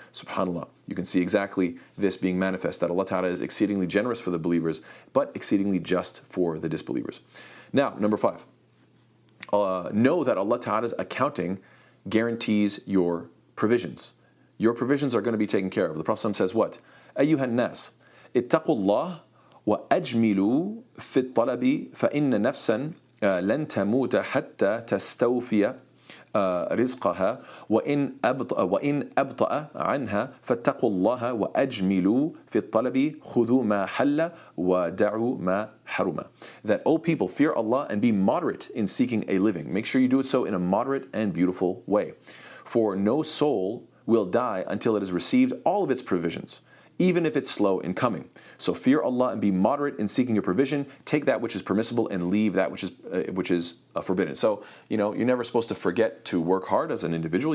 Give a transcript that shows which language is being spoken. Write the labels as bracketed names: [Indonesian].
[English] SubhanAllah, you can see exactly this being manifest, that Allah Ta'ala is exceedingly generous for the believers, but exceedingly just for the disbelievers. Now, number five. Know that Allah Ta'ala's accounting guarantees your provisions. Your provisions are going to be taken care of. The Prophet says what? [Arabic] أَيُّهَا النَّاسِ اتَّقُوا اللَّهِ وَأَجْمِلُوا فِي الطَّلَبِ فَإِنَّ نَفْسًا لَنْ تَمُوتَ حَتَّى تَسْتَوْفِيَ رِزْقَهَا وَإِنْ أَبْطَأَ عَنْهَا فَاتَّقُوا اللَّهَ وَأَجْمِلُوا فِي الطَّلَبِ خُذُوا مَا حَلَّ وَدَعُوا مَا حَرُمَ [English] That, O people, fear Allah and be moderate in seeking a living. Make sure you do it so in a moderate and beautiful way. For no soul will die until it has received all of its provisions, even if it's slow in coming. So fear Allah and be moderate in seeking your provision. Take that which is permissible and leave that which is forbidden. So, you know, you're never supposed to forget to work hard as an individual.